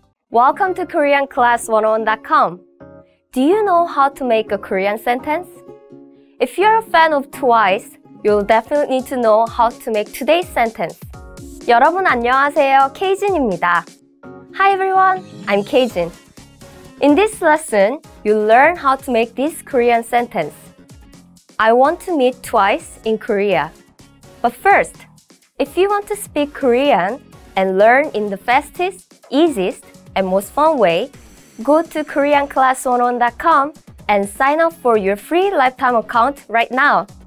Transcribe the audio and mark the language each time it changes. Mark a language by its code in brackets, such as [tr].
[en] Welcome to KoreanClass101.com. Do you know how to make a Korean sentence? If you're a fan of TWICE, you'll definitely need to know how to make today's sentence. [ko] 여러분 안녕하세요, 케이진입니다. [en] Hi everyone, I'm 케이진. In this lesson, you'll learn how to make this Korean sentence. I want to meet TWICE in Korea. But first, if you want to speak Korean and learn in the fastest, easiest, and most fun way, go to KoreanClass101.com and sign up for your free lifetime account right now.